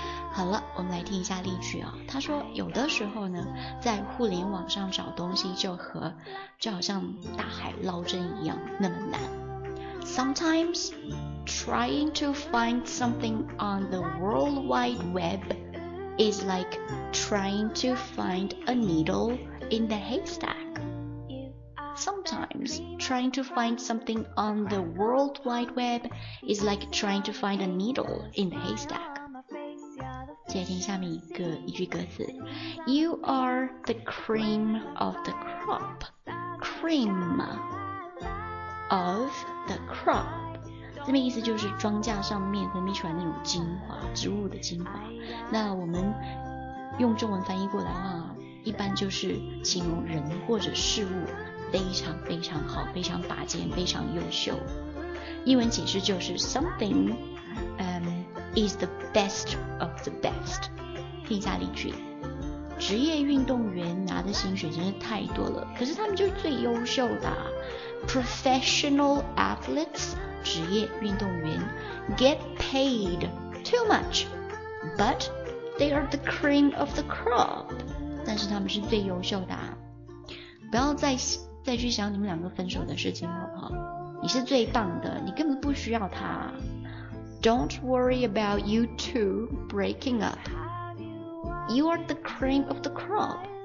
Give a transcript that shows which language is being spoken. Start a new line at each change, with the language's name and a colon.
Chinese: 好了，我们来听一下例句哦。他说有的时候呢在互联网上找东西就好像大海捞针一样那么难。
English: Sometimes trying to find something on the World Wide Web is like trying to find a needle in the haystack. Sometimes trying to find something on the World Wide Web is like trying to find a needle in the haystack.
Chinese: 接听下面一句歌词。
English: You are the cream of the crop. Cream.
Chinese: Of the crop 字面意思就是庄稼上面分泌出来那种精华，植物的精华，那我们用中文翻译过来的话一般就是形容人或者事物非常非常好，非常拔尖，非常优秀。英文解释就是
English: something is the best of the best。
Chinese: 听一下例句，职业运动员拿的薪水真是太多了，可是他们就是最优秀的。
English: Professional athletes,
Chinese: 职业运动员
English: get paid too much, but they are the cream of the crop.
Chinese: 但是他们是最优秀的、啊。不要再去想你们两个分手的事情好不好？你是最棒的，你根本不需要他。
English: Don't worry about you two breaking up. You are the cream of the crop.